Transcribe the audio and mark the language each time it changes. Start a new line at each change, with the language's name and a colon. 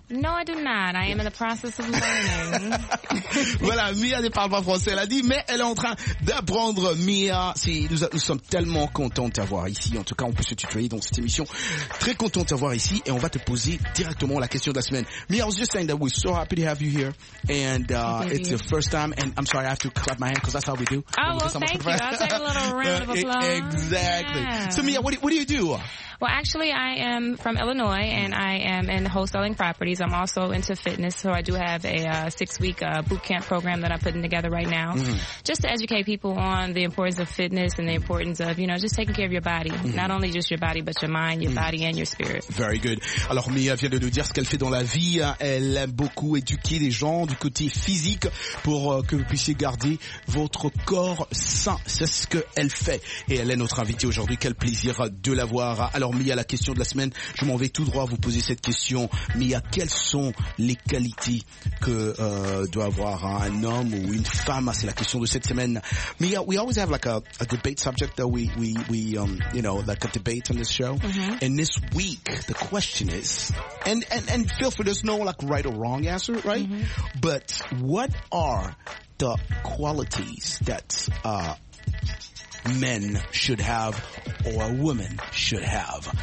English: No, I do not. I am in the process of learning.
French: Voilà, Mia ne parle pas français, elle a dit, mais elle est en train d'apprendre. Mia, nous sommes tellement contents de t'avoir ici. En tout cas, on peut se tutoyer dans cette émission. Très contents de t'avoir ici et on va te poser directement la question de la semaine.
English: Mia, I was just saying that we're so happy to have you here. And it's your first time. And I'm sorry, I have to clap my hand because that's how we do. Oh, well, thank you. I'll take a little round of applause. Exactly. Yeah. So, Mia, what do you do? Well, actually, I am from Illinois, and I am in wholesaling properties. I'm also into fitness, so I do have a six-week boot camp program that I'm putting together right now just to educate people on the importance of fitness and the importance of, you know, just taking care of your body, not only just your body, but your mind, your body, and your spirit. Very good.
French: Alors, Mia vient de nous dire ce qu'elle fait dans la vie. Elle aime beaucoup éduquer les gens du côté physique pour que vous puissiez garder votre corps sain. C'est ce qu'elle fait. Et elle est notre invitée aujourd'hui. Quel plaisir de l'avoir. Alors, Mia, la question de la semaine, je m'en vais tout droit vous poser cette question. Mia, quelles sont les qualités que doit avoir un homme ou une femme? C'est la question de cette semaine.
English: Mia, we always have like a debate subject that we debate on this show. Mm-hmm. And this week, the question is, and feel free, there's no like right or wrong answer, right? Mm-hmm. But what are the qualities that men should have or a woman should have?